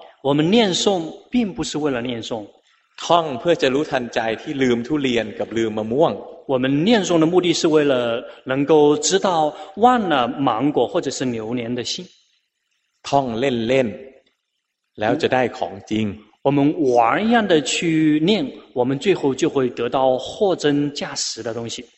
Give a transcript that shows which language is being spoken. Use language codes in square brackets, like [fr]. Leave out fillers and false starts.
[zh] 我们念诵并不是为了念诵 [th] ท่องเพื่อจะรู้ทันใจที่ลืมทุเรียนกับลืมมะม่วง [zh] 我们念诵的目的是为了能够知道忘了芒果或者是牛年的心 [th] ท่องเล่นๆแล้วจะได้ของจริง [zh] 我们玩一样的去念我们最后就会得到货真价实的东西